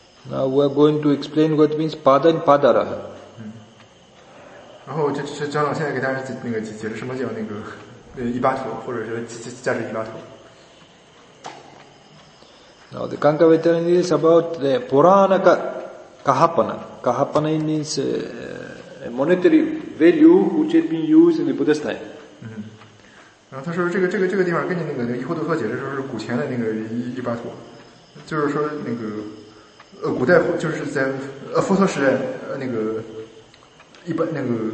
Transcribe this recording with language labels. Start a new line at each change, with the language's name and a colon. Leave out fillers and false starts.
English: Now we are going to explain what means pada and padaraha.
Chinese: 然后就是张老现在给大家那个解释什么叫那个一巴陀，或者是价值一巴陀。
English: Now the Kanka Vaitarin is about the purana kahapana. Kahapana means a monetary value which had been used in the Buddha's time.
Chinese: 然后他说这个地方跟你那个伊霍多特解释说是古钱的那个一巴陀，就是说那个。古代就是在佛陀时代，那个一般那个